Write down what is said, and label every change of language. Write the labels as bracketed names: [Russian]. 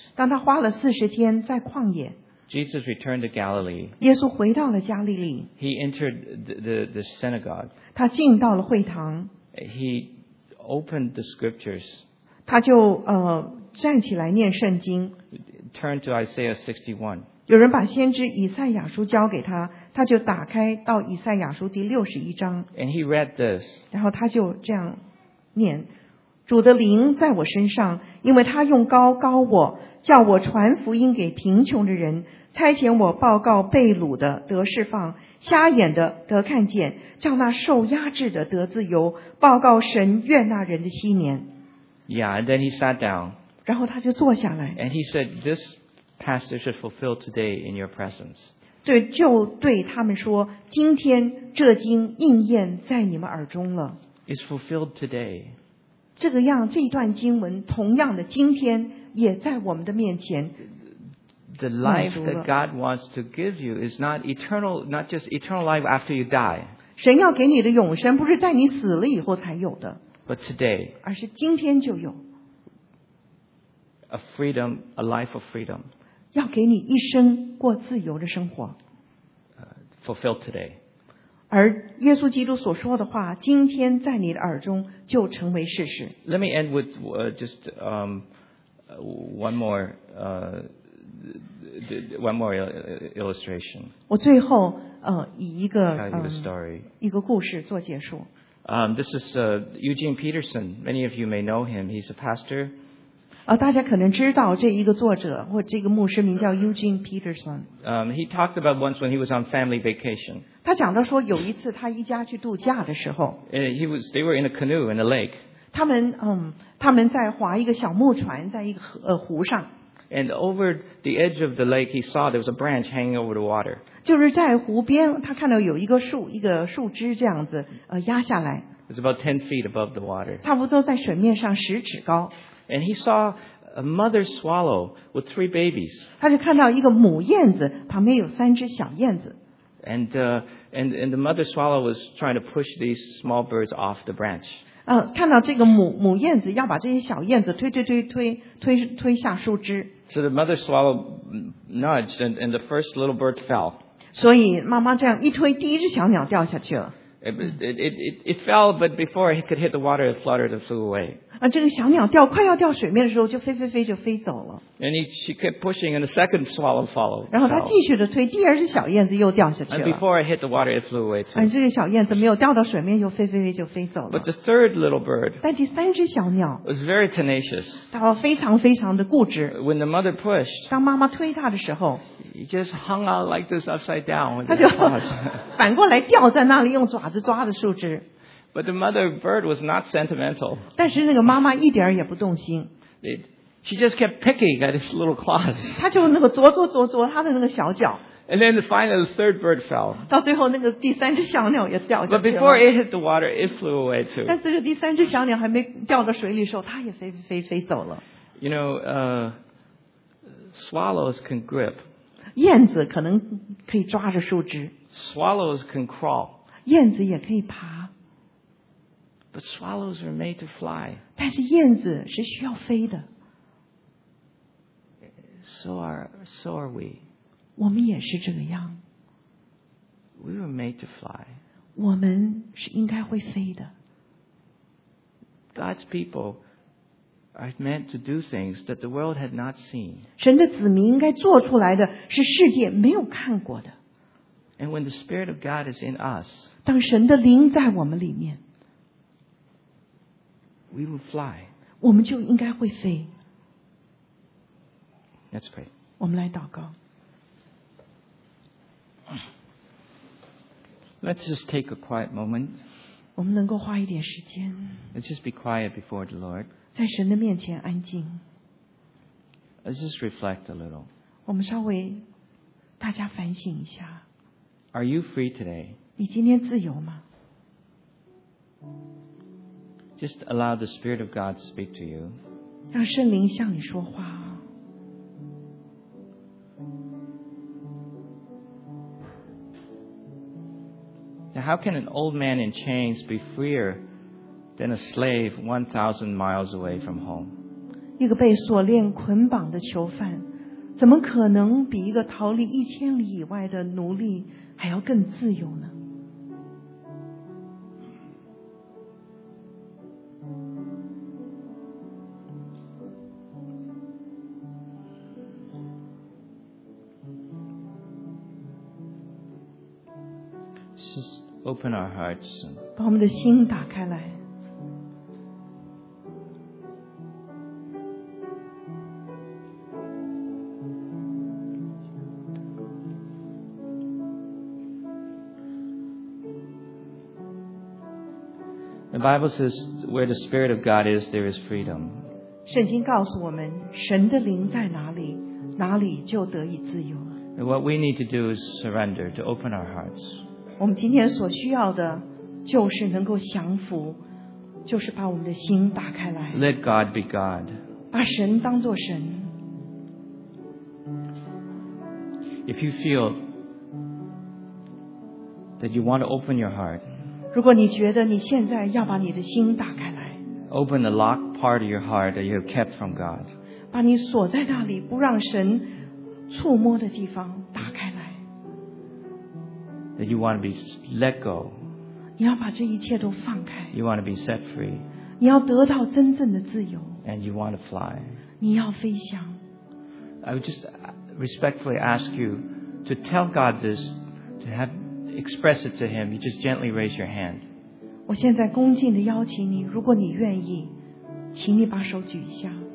[Chinese] 当他花了四十天在旷野。 [English] Jesus returned to Galilee. [Chinese] 耶稣回到了加利利。 [English] He entered the synagogue. [Chinese] 他进到了会堂。 [English] He opened the scriptures. [Chinese] 他就站起来念圣经。 [English] Turn to Isaiah 61. [Chinese] 有人把先知以赛亚书交给他，他就打开到以赛亚书第六十一章。 [English] And he read this. [Chinese] 然后他就这样念：主的灵在我身上，因为他用膏膏我，叫我传福音给贫穷的人，差遣我报告被掳的得释放，瞎眼的得看见，叫那受压制的得自由，报告神悦纳人的新年。 [English] Yeah, and then he sat down. [Chinese] 然后他就坐下来。 [English] And he said, this pastor should fulfill today in your presence. [Chinese] 对，就对他们说，今天这经应验在你们耳中了。 [English] It's fulfilled today. [Chinese] 这个样，这一段经文，同样的，今天也在我们的面前。 [English] The life that God wants to give you is not eternal, not just eternal life after you die. [Chinese] 神要给你的永生不是在你死了以后才有的。 [English] But today. [Chinese] 而是今天就有。 [English] A freedom, a life of freedom. [Chinese] 要给你一生过自由的生活。 [English] Fulfilled today. [Chinese] 而耶稣基督所说的话，今天在你的耳中就成为事实。 [English] Let me end with just one more illustration. [Chinese] 我最后以一个 [English] story. [Chinese] 一个故事做结束。 [English] This is Eugene Peterson. Many of you may know him. He's a pastor. [Chinese] 大家可能知道这一个作者或这个牧师名叫 Eugene Peterson. [English] He talked about once when he was on family vacation. [Chinese] 他讲到说有一次他一家去度假的时候。 [English] They were in a canoe in a lake. [Chinese] 他们在划一个小木船在一个湖上。 [English] And over the edge of the lake, he saw there was a branch hanging over the water. [Chinese] 就是在湖边，他看到有一个树枝这样子，压下来。 [English] It was about 10 feet above the water. [Chinese] 差不多在水面上十尺高。 [English] And he saw a mother swallow with 3 babies. [Chinese] 他就看到一个母燕子，旁边有三只小燕子。 [English] And the mother swallow was trying to push these small birds off the branch. [Chinese] 看到这个母燕子要把这些小燕子推下树枝。 [English] So the mother swallow nudged and the first little bird fell. [Chinese] 所以妈妈这样一推，第一只小鸟掉下去了。 [English] It fell, but before it could hit the water, it fluttered and flew away. [Chinese] 这个小鸟掉快要掉水面的时候，就飞飞飞就飞走了。 [English] And she kept pushing, and the second swallow followed. [Chinese] 然后她继续的推，第二只小燕子又掉下去了。 [English] And before it hit the water, it flew away too. [Chinese] 这个小燕子没有掉到水面，又飞飞飞就飞走了。 [English] But the third little bird. [Chinese] 但第三只小鸟 [English] was very tenacious. [Chinese] 它非常非常的固执。 [English] When the mother pushed. [Chinese] 当妈妈推它的时候。 [English] He just hung out like this upside down. [Chinese] 它就反过来吊在那里，用爪子抓着树枝。 [English] But the mother bird was not sentimental. [Chinese] 但是那个妈妈一点也不动心。 [English] She just kept picking at its little claws. [Chinese] 她就那个啄啄啄啄她的那个小脚。 [English] And then finally the third bird fell. [Chinese] 到最后那个第三只小鸟也掉下去了。 [English] But before it hit the water, it flew away too. [Chinese] 但是这个第三只小鸟还没掉到水里的时候，它也飞飞飞走了。 [English] You know, swallows can grip. [Chinese] 燕子可能可以抓着树枝。 [English] Swallows can crawl. [Chinese] 燕子也可以爬。 [English] But swallows are made to fly. [Chinese] 但是燕子是需要飞的。 [English] So are we. [Chinese] 我们也是这个样。 [English] We were made to fly. [Chinese] 我们是应该会飞的。 [English] God's people are meant to do things that the world had not seen. [Chinese] 神的子民应该做出来的是世界没有看过的。 [English] And when the Spirit of God is in us, [Chinese] 当神的灵在我们里面。 [English] We will fly. [Chinese] 我们就应该会飞。 [English] Let's pray. [Chinese] 我们来祷告。 [English] Let's just take a quiet moment. [Chinese] 我们能够花一点时间。 [English] Let's just be quiet before the Lord. [Chinese] 在神的面前安静。 [English] Let's just reflect a little. [Chinese] 我们稍微大家反省一下。 [English] Are you free today? [Chinese] 你今天自由吗？ [English] Just allow the Spirit of God to speak to you. [Chinese] 让圣灵向你说话。 [English] Now, how can an old man in chains be freer than a slave 1,000 miles away from home? [Chinese] 一个被锁链捆绑的囚犯，怎么可能比一个逃离1000里以外的奴隶还要更自由呢？ [English] Open our hearts. [Chinese] 把我们的心打开来。 [English] The Bible says, where the Spirit of God is, there is freedom. [Chinese] 圣经告诉我们，神的灵在哪里，哪里就得以自由。 [English] What we need to do is surrender, to open our hearts. [Chinese] 我们今天所需要的就是能够降服，就是把我们的心打开来。 [English] Let God be God. [Chinese] 把神当作神。 [English] If you feel that you want to open your heart, [Chinese] 如果你觉得你现在要把你的心打开来， [English] open the locked part of your heart that you have kept from God. [Chinese] 把你锁在那里不让神触摸的地方打开来。 [English] That you want to be let go. [Chinese] 你要把这一切都放开。 [English] You want to be set free. [Chinese] 你要得到真正的自由。 [English] And you want to fly. [Chinese] 你要飞翔。 [English] I would just respectfully ask you to tell God this, to have express it to Him. You just gently raise your hand. [Chinese] 我现在恭敬地邀请你，如果你愿意，请你把手举一下。